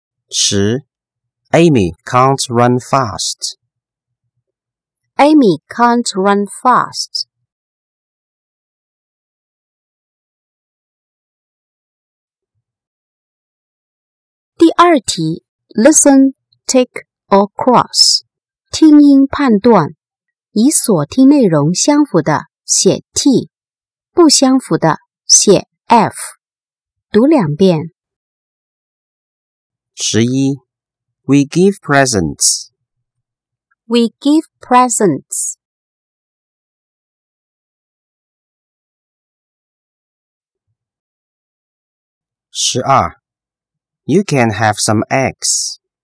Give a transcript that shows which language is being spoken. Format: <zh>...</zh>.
<en>10. Amy can't run fast. Amy can't run fast.</en> <zh>第二题</zh> <en>Listen, tick, or cross.</en> <zh>听音判断，以所听内容相符的写 T， 不相符的写 F。读两遍。</zh> <en>十一 ，We give presents. We give presents. 十二。You can have some eggs.</en>